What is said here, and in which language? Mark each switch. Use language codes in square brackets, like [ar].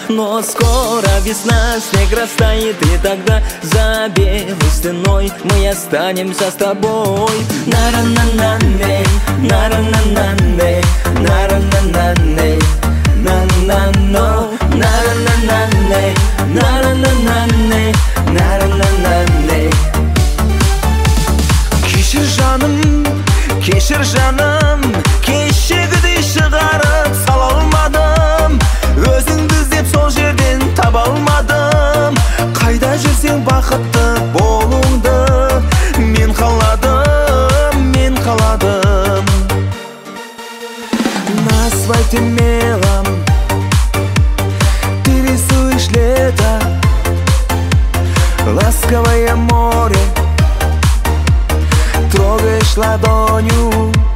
[ru] Но скоро весна, снег растает, и тогда за белой стеной мы останемся с тобой. На-ра-на-на-не, на-ра-на-на-не, на-ра-на-на-не, на-на-но, на-ра-на-на-не, на-ра-на-на-не, на-ра-на-на-не. [kk] Кешір жаным, кешір жаным, кешігідей шығарып сала алмадым. Өзіңді іздеп сол жерден таба алмадым. Қайда жүрсең бақытты болуыңды мен қаладым, мен қаладым. [ru] На асфальте мелом ты рисуешь лето, ласковое море трогаешь ладонью.